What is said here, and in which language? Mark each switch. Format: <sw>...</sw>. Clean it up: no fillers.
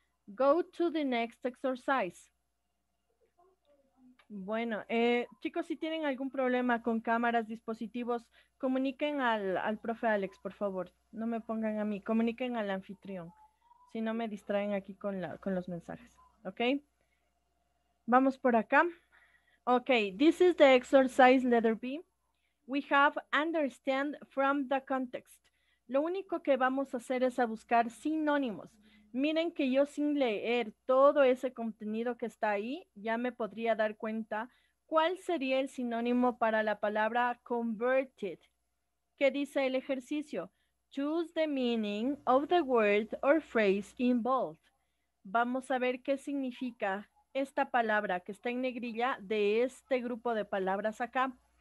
<en>Go to the next exercise.</en> <es>Bueno, chicos, si tienen algún problema con cámaras, dispositivos, comuniquen al profe Alex, por favor. No me pongan a mí, comuniquen al anfitrión. Si no, me distraen aquí con los mensajes. ¿Ok? Vamos por acá.</es> <en>Ok, this is the exercise letter B. We have understand from the context.</en> <es>lo único que vamos a hacer es a buscar sinónimos. Miren que yo sin leer todo ese contenido que está ahí, ya me podría dar cuenta cuál sería el sinónimo para la palabra converted. ¿Qué dice el ejercicio?</es> <en>Choose the meaning of the word or phrase involved.</en> <es>Vamos a ver qué significa esta palabra que está en negrilla de este grupo de palabras acá.</es>